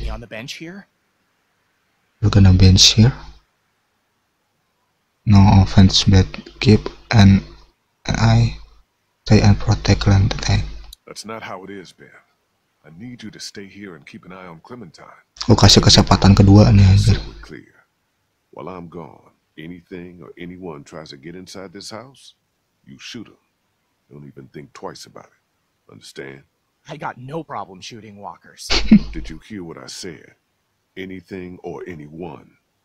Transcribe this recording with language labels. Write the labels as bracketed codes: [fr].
[en] On the bench here? We're gonna bench here. No offense, but keep an eye. Stay and protect Clementine. That's not how it is, Ben. I need you to stay here and keep an eye on Clementine. [id] Gue kasih kesempatan kedua nih anjir. [en] While I'm gone, anything or anyone tries to get inside this house, you shoot them. Don't even think twice about it. Understand? I got no problem shooting walkers. Did you hear what I said? Anything or anyone?